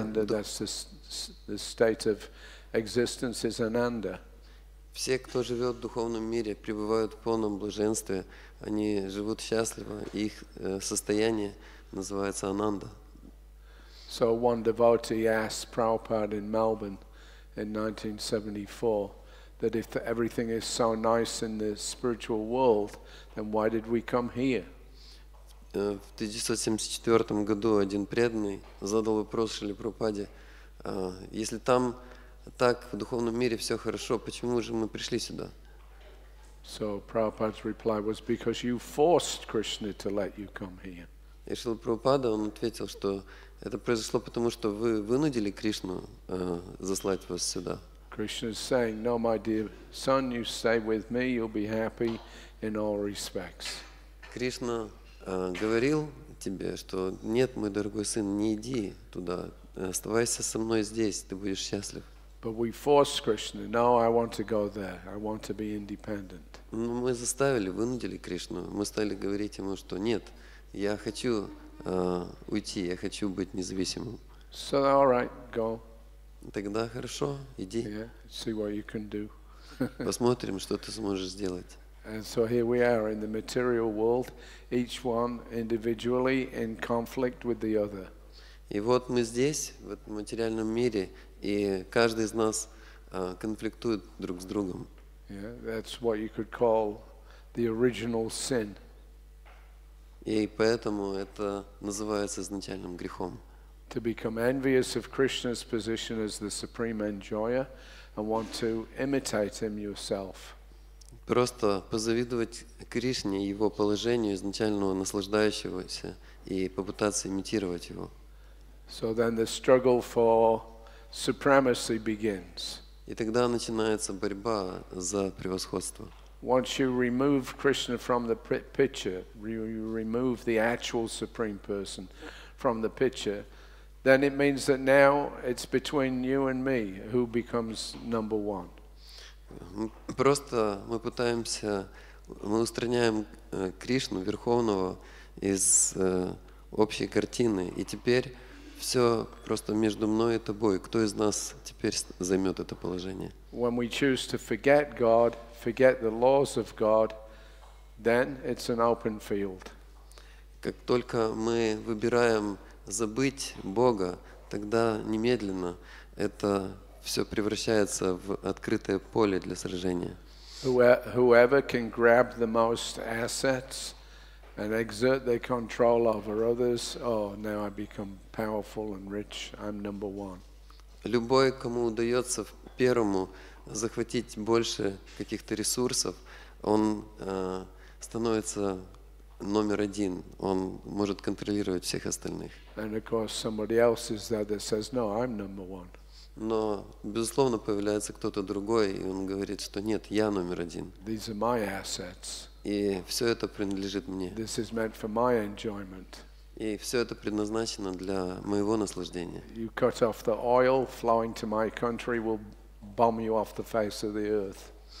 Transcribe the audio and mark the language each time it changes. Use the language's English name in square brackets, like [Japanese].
[English] and that's the state of existence is ananda. [Russian] Все, кто живет в духовном мире, пребывают в полном блаженстве, они живут счастливо, их состояние называется ананда. [English] So one devotee asked Prabhupada in Melbourne in 1974 that if everything is so nice in the spiritual world, then why did we come here? [Russian] В 1974 году один преданный задал вопрос Шриле Прабхупаде: если там так в духовном мире все хорошо, почему же мы пришли сюда? [English] So Prabhupada's reply was because you forced Krishna to let you come here. [Russian] И Шрила Прабхупада он ответил, что это произошло потому, что вы вынудили Кришну заслать вас сюда. [English] Krishna is saying, no, my dear son, you stay with me, you'll be happy in all respects. [Russian] Кришна говорил тебе, что нет, мой дорогой сын, не иди туда, оставайся со мной здесь, ты будешь счастлив. [English] But we forced Krishna. No, I want to go there. I want to be independent. [Russian] Но мы заставили, вынудили Кришну. Мы стали говорить ему, что нет, я хочу уйти, я хочу быть независимым. [English] So, all right, go. [Russian] Тогда хорошо, иди. [English] Yeah, see what you can do. [Russian] Посмотрим, что ты сможешь сделать. [English] And so here we are in the material world, each one individually in conflict with the other. [Russian] И вот мы здесь, в этом материальном мире, и каждый из нас конфликтует друг с другом. [English] Yeah, that's what you could call the original sin. [Russian] И поэтому это называется изначальным грехом. [English] To become envious of Krishna's position as the supreme enjoyer and want to imitate him yourself. [Russian] Просто позавидовать Кришне, его положению изначального наслаждающегося и попытаться имитировать его. [English] So then the struggle for supremacy begins. [Russian] И тогда начинается борьба за превосходство. [English] Once you remove Krishna from the picture, you remove the actual supreme person from the picture, then it means that now it's between you and me who becomes number one. [Russian] Просто мы пытаемся, мы устраняем Кришну Верховного из общей картины, и теперь все просто между мной и тобой. Кто из нас теперь займет это положение? [English] When we choose to forget God, forget the laws of God, then it's an open field. [Russian] Как только мы выбираем забыть Бога, тогда немедленно это все превращается в открытое поле для сражения. [English] Whoever can grab the most assets and exert their control over others, oh, now I become powerful and rich, I'm number one. [Russian] Любой, кому удается первому захватить больше каких-то ресурсов, он становится номер один, он может контролировать всех остальных. [English] And of course somebody else is there that says, no, I'm number one. [Russian] Но, безусловно, появляется кто-то другой, и он говорит, что нет, я номер один. [English] These are my assets. [Russian] И все это принадлежит мне. [English] This is meant for my enjoyment. [Russian] И все это предназначено для моего наслаждения. [English] You cut off the oil flowing to my country will bomb you off the face of the earth.